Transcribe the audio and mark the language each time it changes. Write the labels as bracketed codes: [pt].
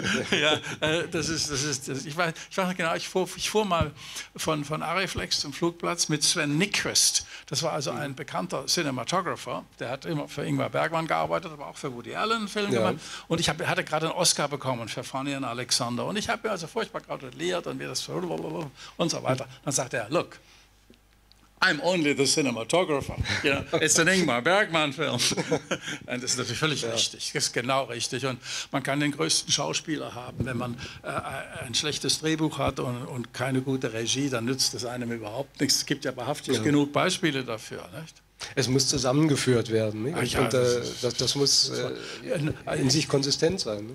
[de] Ja, ich fuhr mal von Ariflex zum Flugplatz mit Sven Nyquist. Das war also ein bekannter Cinematographer, der hat immer für Ingmar Bergman gearbeitet, aber auch für Woody Allen Film gemacht. Und ich hatte gerade einen Oscar bekommen für Fanny und Alexander. Und ich habe mir also furchtbar gratuliert und mir das und so weiter. Dann sagt er, look, [en] I'm only the cinematographer. You know, it's an Ingmar Bergman film. [de] Und das ist natürlich völlig richtig. Das ist genau richtig. Und man kann den größten Schauspieler haben, wenn man ein schlechtes Drehbuch hat und keine gute Regie, dann nützt es einem überhaupt nichts. Es gibt ja wahrhaftig genug Beispiele dafür, nicht? Es muss zusammengeführt werden. Nicht? Und das muss in sich konsistent sein.